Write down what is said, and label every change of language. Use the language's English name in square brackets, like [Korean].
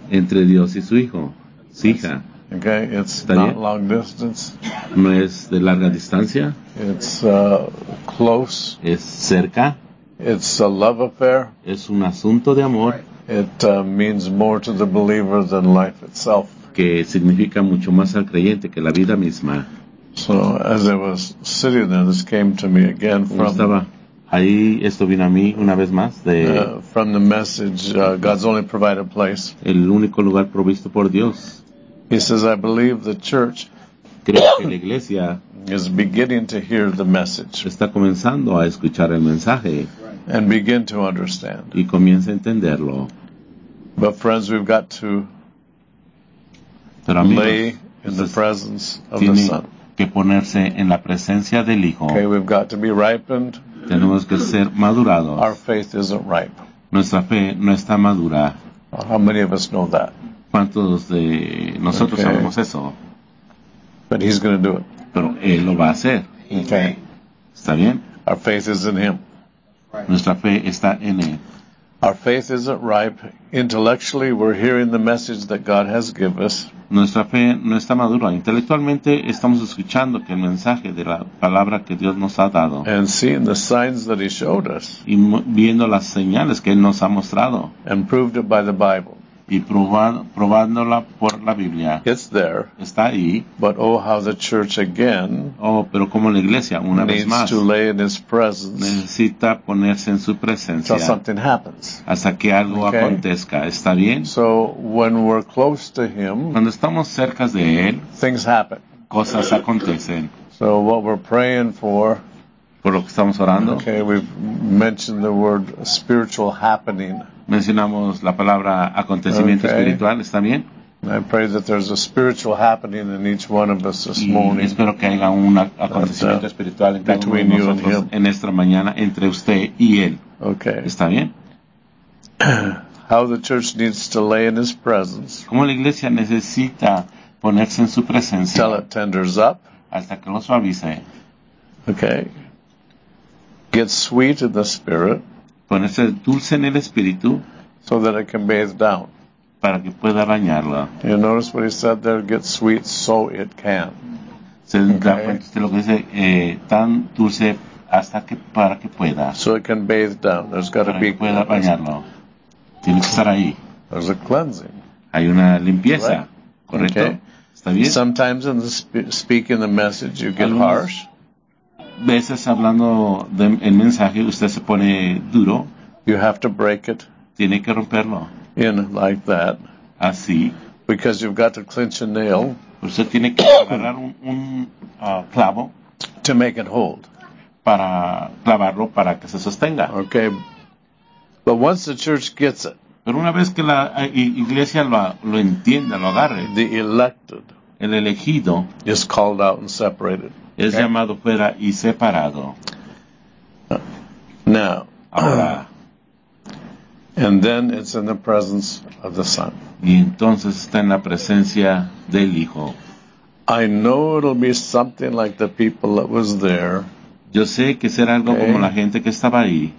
[Spanish] Entre Dios y su hijo, su hija. [English] Okay, it's not long distance. [Spanish] No es de larga distancia. [English] It's close. [Spanish] Es cerca. [English] It's a love affair. [Spanish] Es un asunto de amor. [English] It means more to the believer than life itself. [Spanish] Que significa mucho más al creyente que la vida misma. [English] So as I was sitting there, this came to me again from. [Spanish] Estaba ahí, esto vino a mí una vez más de. [English] From the message, God's only provided place. [Spanish] El único lugar provisto por Dios. [English] He says, I believe the church is beginning to hear the message [Spanish] está comenzando a escuchar el mensaje [English] and begin to understand. [Spanish] Y comienza a entenderlo. [English] But friends, we've got to [Spanish] Pero amigos, [English] lay in the presence of the Son. [Spanish] Que ponerse en la presencia del Hijo. [English] Okay, we've got to be ripened. [Spanish] Tenemos que ser madurados. [English] Our faith isn't ripe. [Spanish] Nuestra fe no está madura. [English] How many of us know that? [Spanish] ¿Cuántos de nosotros okay. sabemos eso? [English] But he's going to do it. [Spanish] Pero él lo va a hacer. [English] Okay. [Spanish] ¿Está bien? [English] Our faith is in him. [Spanish] Nuestra fe está en él. [English] Our faith isn't ripe. Intellectually, we're hearing the message that God has given us. [Spanish] Nuestra fe no está madura. Intelectualmente, estamos escuchando que el mensaje de la palabra que Dios nos ha dado. [English] And seeing the signs that he showed us. [Spanish] Y viendo las señales que él nos ha mostrado. [English] And proved it by the Bible. [Spanish] y probándola por la Biblia. [English] It's there. [Spanish] Está ahí. [English] But oh, how the church again. [Spanish] Oh, pero como la iglesia, una vez más. [English] Needs to lay in his presence. [Spanish] Necesita ponerse en su presencia. [English] Until something happens. [Spanish] Hasta que algo acontezca. ¿Está bien? [English] So, when we're close to him. [Spanish] Cuando estamos cerca de él. [English] Things happen. [Spanish] Cosas acontecen. [English] So, what we're praying for. [Spanish] Por lo que estamos orando. [English] Okay, we've mentioned the word spiritual happening. [Spanish] Mencionamos la palabra acontecimiento espiritual, ¿está bien? [English] I pray that there's a spiritual happening in each one of us this morning. [Spanish] Espero que haya un acontecimiento espiritual entre [English] between you and him. [Spanish] En esta mañana, entre usted y él. [English] Okay. [Spanish] ¿Está bien? [English] How the church needs to lay in his presence. [Spanish] ¿Cómo la iglesia necesita ponerse en su presencia? [English] Till it tenders up. [Spanish] Hasta que lo suavice. [English] Okay. Get sweet in the spirit. [Spanish] Ponerse dulce en el espíritu. [English] So that it can bathe down. [Spanish] Para que pueda bañarla. [English] You notice what he said there, get sweet so it can. [Spanish] Se da cuenta de lo que dice, tan dulce hasta que, para que pueda. [English] So it can bathe down. There's got to be. [Spanish] Para que pueda bañarlo. Tiene que estar ahí. [English] There's a cleansing. [Spanish] Hay una limpieza. [English] Right? [Spanish] Correcto. [English] Okay. [Spanish] ¿Está bien? [English] Sometimes in the speaking the message you get harsh. [Spanish] Veces hablando del mensaje, usted se pone duro. [English] You have to break it. [Spanish] Tiene que romperlo. [English] In like that. [Spanish] Así. [English] Because you've got to clench a nail. [Spanish] Usted tiene que agarrar un clavo. [English] To make it hold. [Spanish] Para clavarlo para que se sostenga. [English] Okay. But once the church gets it. [Spanish] Pero una vez que la iglesia lo entienda, lo agarre. [English] The elected. [Spanish] El elegido. [English] Is called out and separated. [Spanish] Es okay. Llamado fuera y separado. [English] Now, [Spanish] ahora, [English] and then it's in the presence of the Son. [Spanish] Y entonces está en la presencia del Hijo. [English] I know it'll be something like the people that was there. [Spanish] Yo sé que será algo como la gente que estaba ahí.